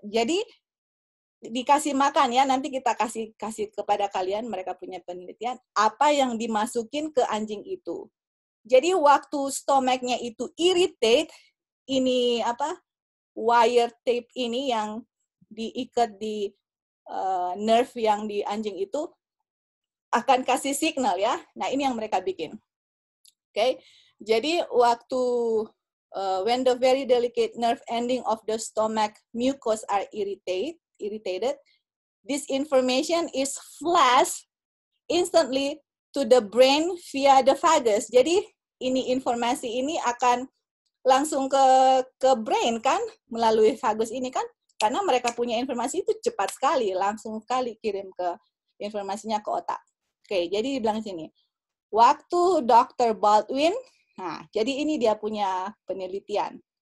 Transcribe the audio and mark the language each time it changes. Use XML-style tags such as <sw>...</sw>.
<id>Jadi dikasih makan ya, nanti kita kasih kepada kalian, mereka punya penelitian apa yang dimasukin ke anjing itu. Jadi waktu stomachnya itu irritate, ini apa wire tape ini yang diikat di nerve yang di anjing itu akan kasih signal ya. Nah, ini yang mereka bikin. Oke, okay. Jadi waktu</id> <en>when the very delicate nerve ending of the stomach mucus are irritated, this information is flashed instantly to the brain via the vagus.</en> <id>Jadi ini informasi ini akan langsung ke brain kan melalui vagus ini kan, karena mereka punya informasi itu cepat sekali, langsung sekali kirim ke informasinya ke otak. Oke, okay, jadi dibilang sini. Waktu Dr. Baldwin, nah, jadi ini dia punya penelitian.</id>